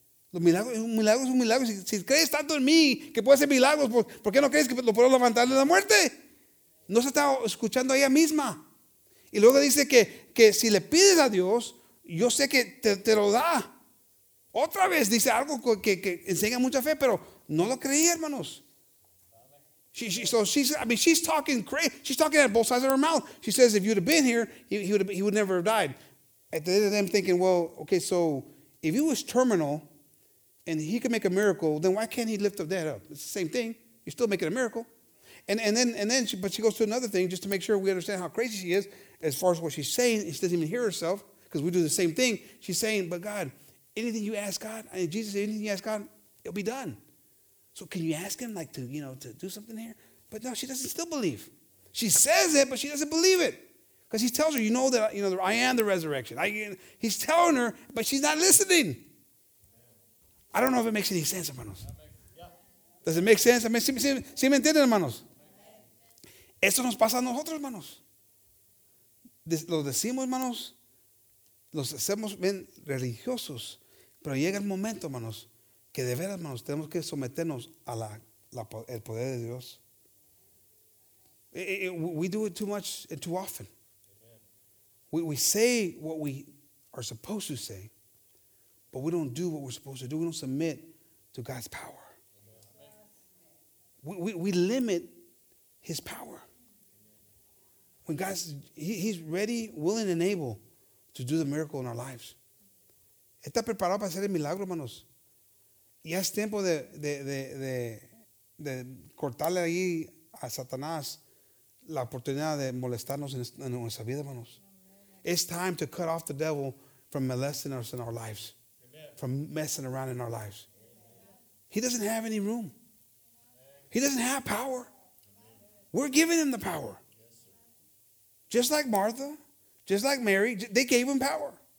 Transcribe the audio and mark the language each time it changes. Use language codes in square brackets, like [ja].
[es] Los milagros, un milagro es un milagro. Si crees tanto en mí que puede ser milagros, ¿por qué no crees que lo puedo levantar de la muerte? No se está escuchando a ella misma. Y luego dice que si le pides a Dios, yo sé que te lo da. Otra vez dice algo que enseña mucha fe, pero no lo creía, hermanos. [en] She's talking crazy. She's talking at both sides of her mouth. She says, if you'd have been here, he would never have died. At the end of them thinking, well, okay, so if he was terminal and he could make a miracle, then why can't he lift up that up? It's the same thing. You're still making a miracle. And then she goes to another thing just to make sure we understand how crazy she is as far as what she's saying. She doesn't even hear herself because we do the same thing. She's saying, but God, anything you ask God, I mean, Jesus, anything you ask God, it'll be done. So can you ask him like to do something here? But no, she doesn't still believe. She says it, but she doesn't believe it. Because he tells her, that I am the resurrection. He's telling her, but she's not listening. I don't know if it makes any sense, hermanos. Does it make sense? I mean, [es] ¿sí me entienden, hermanos? Eso nos pasa a nosotros, hermanos. Lo decimos, hermanos. Los hacemos bien religiosos. Pero llega el momento, hermanos, que de veras, hermanos, tenemos que someternos a la, la el poder de Dios. [en] We do it too much and too often. We say what we are supposed to say, but we don't do what we're supposed to do. We don't submit to God's power. We limit his power. When God's, he's ready, willing, and able to do the miracle in our lives. [es] Está preparado para hacer el milagro, hermanos. Ya es tiempo de cortarle ahí a Satanás la oportunidad de molestarnos en nuestra vida, hermanos. [en] It's time to cut off the devil from molesting us in our lives. Amen. From messing around in our lives. Amen. He doesn't have any room. He doesn't have power. Amen. We're giving him the power. Yes, sir. Just like Martha, just like Mary, they gave him power.